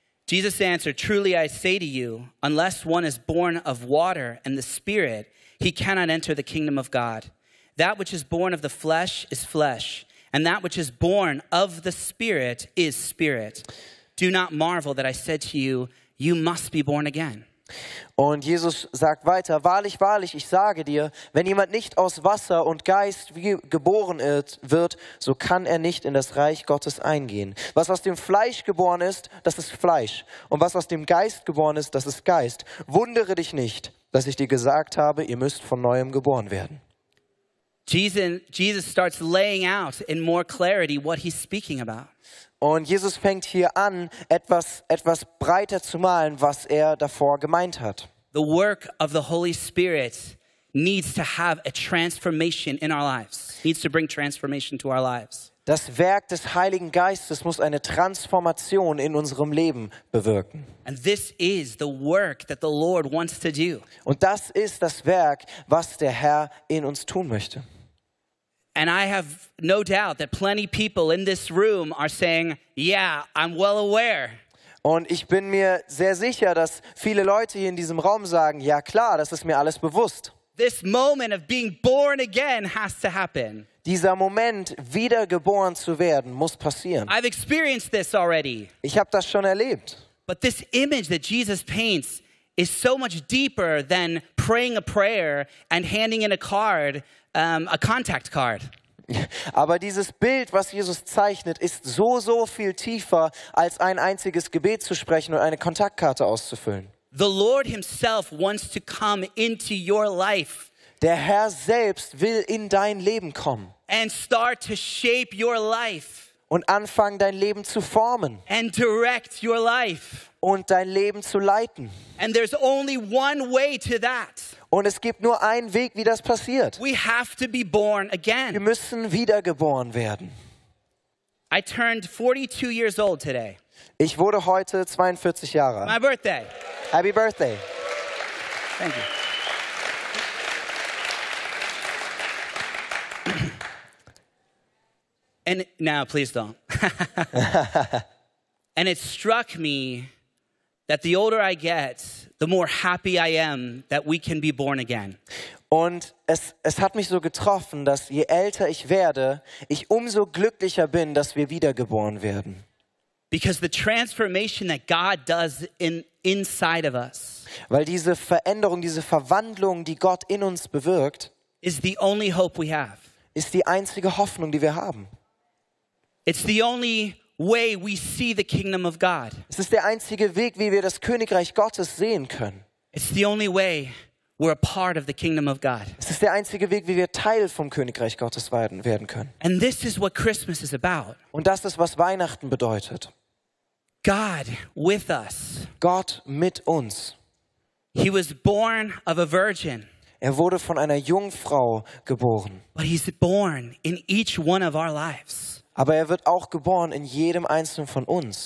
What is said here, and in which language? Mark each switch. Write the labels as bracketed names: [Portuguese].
[English] Jesus answered, truly I say to you, unless one is born of water and the Spirit, he cannot enter the kingdom of God. That which is born of the flesh is flesh, and that which is born of the Spirit is spirit. Do not marvel that I said to you, you must be born again. [German] Und Jesus sagt weiter, wahrlich, wahrlich, ich sage dir, wenn jemand nicht aus Wasser und Geist geboren wird, so kann er nicht in das Reich Gottes eingehen. Was aus dem Fleisch geboren ist, das ist Fleisch. Und was aus dem Geist geboren ist, das ist Geist. Wundere dich nicht, dass ich dir gesagt habe, ihr müsst von Neuem geboren werden. [English] Jesus starts laying out in more clarity what he's speaking about. [German] Und Jesus fängt hier an, etwas breiter zu malen, was er davor gemeint hat. [English] The work of the Holy Spirit needs to have a transformation in our lives. Needs to bring transformation to our lives. [German] Das Werk des Heiligen Geistes muss eine Transformation in unserem Leben bewirken. [English] And this is the work that the Lord wants to do. [German] Und das ist das Werk, was der Herr in uns tun möchte. [English] And I have no doubt that plenty of people in this room are saying, yeah, I'm well aware. [German] Und ich bin mir sehr sicher, dass viele Leute hier in diesem Raum sagen, ja klar, das ist mir alles bewusst. [English] This moment of being born again has to happen. [German] Dieser Moment, wiedergeboren zu werden, muss passieren. [English] I've experienced this already. [German] Ich habe das schon erlebt. [English] But this image that Jesus paints is so much deeper than praying a prayer and handing in a card, a contact card. [German] Aber dieses Bild, was Jesus zeichnet, ist so, so viel tiefer, als ein einziges Gebet zu sprechen und eine Kontaktkarte auszufüllen. [English] The Lord himself wants to come into your life. [German] Der Herr selbst will in dein Leben kommen. [English] And start to shape your life. [German] Und anfangen, dein Leben zu formen. [English] And direct your life. [German] Und dein Leben zu leiten. [English] And there's only one way to that. [German] Und es gibt nur einen Weg, wie das passiert. [English] We have to be born again. [German] Wir müssen wiedergeboren werden. [English] I turned 42 years old today. [German] Ich wurde heute 42 Jahre alt. [English] My birthday. Happy birthday. Thank you. And now, please don't. And it struck me that the older I get, the more happy I am that we can be born again. [German] Und es hat mich so getroffen, dass je älter ich werde, ich umso glücklicher bin, dass wir wiedergeboren werden. [English] Because the transformation that God does inside of us. [German] Weil diese Veränderung, diese Verwandlung, die Gott in uns bewirkt, [English] is the only hope we have. [German] Ist die einzige Hoffnung, die wir haben. [English] It's the only way we see the kingdom of God. [German] Es ist der einzige Weg, wie wir das Königreich Gottes sehen können. [English] It's the only way we're a part of the kingdom of God. [German] Es ist der einzige Weg, wie wir Teil vom Königreich Gottes werden können. [English] And this is what Christmas is about. [German] Und das ist, was Weihnachten bedeutet. [English] God with us. [German] Gott mit uns. [English] He was born of a virgin. [German] Er wurde von einer Jungfrau geboren. [English] But he's born in each one of our lives. [German] Aber er wird auch geboren in jedem einzelnen von uns.